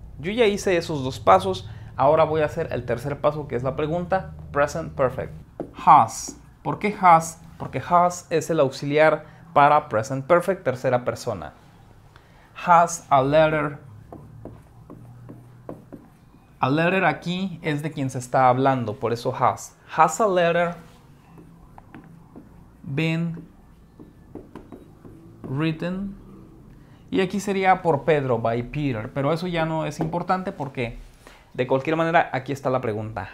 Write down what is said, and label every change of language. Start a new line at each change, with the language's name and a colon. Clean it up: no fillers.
Spanish: Yo ya hice esos dos pasos, ahora voy a hacer el tercer paso, que es la pregunta, present perfect. Has. ¿Por qué has? Porque has es el auxiliar para present perfect, tercera persona.
English: Has a letter.
Spanish: A letter aquí es de quien se está hablando, por eso has.
English: Has a letter been written.
Spanish: Y aquí sería por Pedro, by Peter, pero eso ya no es importante porque de cualquier manera aquí está la pregunta.